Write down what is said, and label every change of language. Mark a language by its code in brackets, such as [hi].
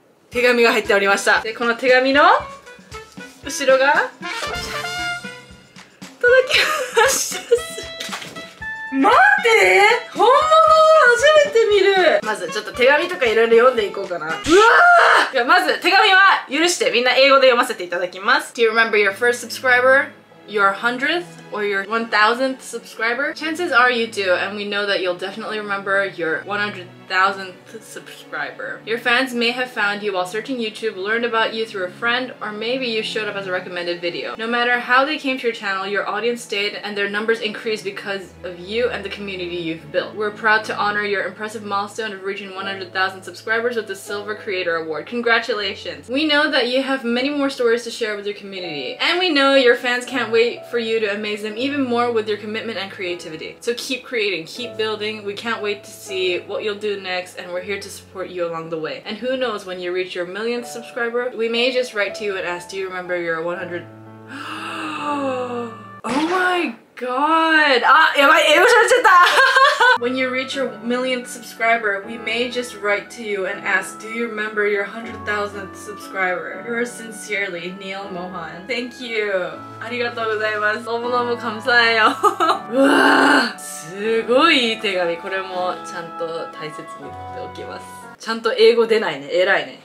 [ja] 手紙が入っておりました。で、この手紙の後ろが、届きました。待って、本物初めて見る。まずちょっと手紙とかいろいろ読んでいこうかな。うわあ！まず手紙は許してみんな英語で読ませていただきます。 [en] Do you remember your first subscriber? Your 100th or your 1000th subscriber? Chances are you do, and we know that you'll definitely remember your 100,000th subscriber. Your fans may have found you while searching YouTube, learned about you through a friend, or maybe you showed up as a recommended video. No matter how they came to your channel, your audience stayed and their numbers increased because of you and the community you've built. We're proud to honor your impressive milestone of reaching 100,000 subscribers with the Silver Creator Award. Congratulations! We know that you have many more stories to share with your community, and we know your fans can't wait for you to amaze them even more with your commitment and creativity. So keep creating, keep building. We can't wait to see what you'll do next, and we're here to support you along the way. And who knows, when you reach your millionth subscriber, we may just write to you and ask, do you remember your 100? Oh my god! [ja] Ah, やばい、英語喋っちゃった。 [en] When you reach your millionth subscriber, we may just write to you and ask, do you remember your 100,000th subscriber? Yours sincerely, Neil Mohan. Thank you. [ja] ありがとうございます。どうもどうも、感謝よ。うわぁ、すごいいい手紙。これもちゃんと大切に取っておきます。ちゃんと英語出ないね。偉いね。